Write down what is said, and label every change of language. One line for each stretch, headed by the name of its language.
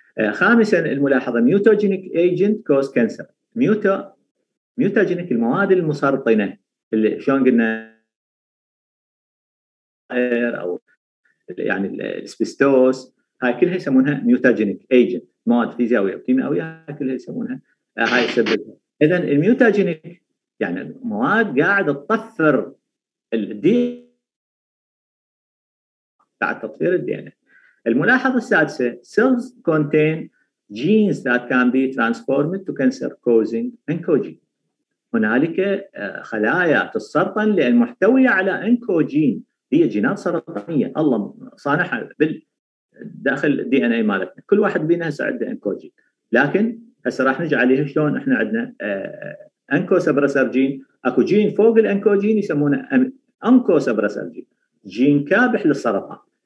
Arabic: خامسا الملاحظة،
English: mutagenic agent cause cancer.
Arabic: mutagenic المواد المسرطنة اللي شلون قلنا أو يعني الاسبستوس، هاي كلها يسمونها mutagenic agent، مواد فيزيائية أو كيميائية كلها يسمونها هاي تسبب. إذن mutagenic يعني مواد قاعدة تطفر الدي بعد تطفير الدي ان. الملاحظه السادسه،
English: cells contain genes that can be transformed to cancer causing oncogene.
Arabic: هنالك خلايا تسرطن لان محتويه على انكوجين، هي جينات سرطانيه الله صانعها داخل الدي ان اي مالتنا، كل واحد بينا هسه عنده انكوجين، لكن هسه راح نجي عليها شلون احنا عندنا انكو سبرسر جين، اكو جين فوق الانكوجين يسمونه انكو سبرسر جين، جين كابح للسرطان.